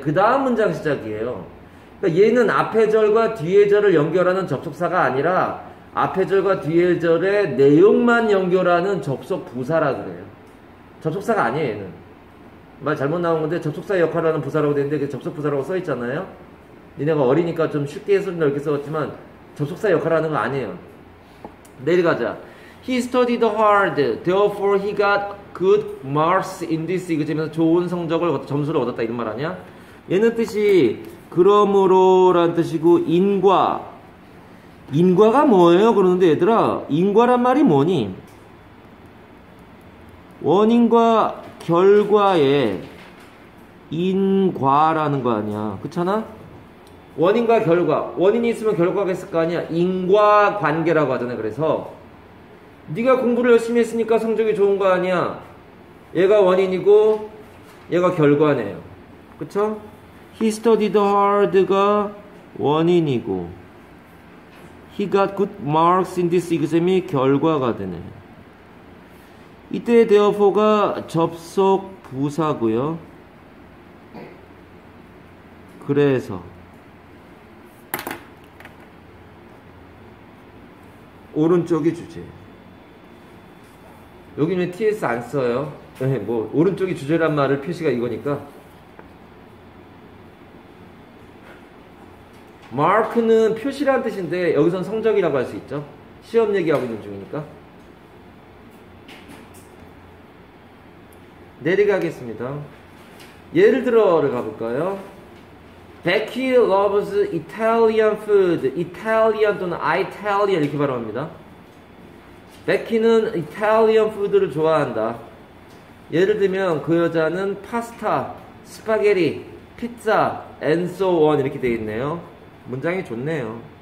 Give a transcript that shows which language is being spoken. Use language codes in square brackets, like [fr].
[ko] 그 다음 문장 시작이에요. 그러니까 얘는 앞에 절과 뒤에 절을 연결하는 접속사가 아니라 앞에 절과 뒤에 절의 내용만 연결하는 접속부사라 그래요. 접속사가 아니에요, 얘는. 말 잘못 나온 건데 접속사의 역할을 하는 부사라고 되는데 그게 접속부사라고 써있잖아요. 니네가 어리니까 좀 쉽게 해석이 넓게 써왔지만 접속사의 역할을 하는 거 아니에요. 내려가자. [en] He studied hard, therefore he got good marks in this exam. [ko] 좋은 성적을, 점수를 얻었다. 이런 말 아니야? 얘는 뜻이, 그러므로 라는 뜻이고, 인과. 인과가 뭐예요? 그러는데, 얘들아, 인과란 말이 뭐니? 원인과 결과의 인과라는 거 아니야. 그렇잖아? 원인과 결과. 원인이 있으면 결과가 있을 거 아니야. 인과 관계라고 하잖아. 그래서 네가 공부를 열심히 했으니까 성적이 좋은 거 아니야. 얘가 원인이고 얘가 결과네요. 그쵸? [en] He studied hard가 [ko] 원인이고 [en] He got good marks in this exam이 [ko] 결과가 되네. 이때 therefore가 접속 부사고요. 그래서 오른쪽이 주제. 여기는 TS 안 써요. 네, 뭐 오른쪽이 주제란 말을 표시가 이거니까. Mark는 표시란 뜻인데 여기선 성적이라고 할 수 있죠. 시험 얘기하고 있는 중이니까. 내리가겠습니다. 예를 들어를 가볼까요? [en] Becky loves Italian food. [ko] Italian 또는 Italian 이렇게 발음합니다. Becky는 Italian food를 좋아한다. 예를 들면 그 여자는 파스타, 스파게티, 피자, [en] and so on [ko] 이렇게 되어 있네요. 문장이 좋네요.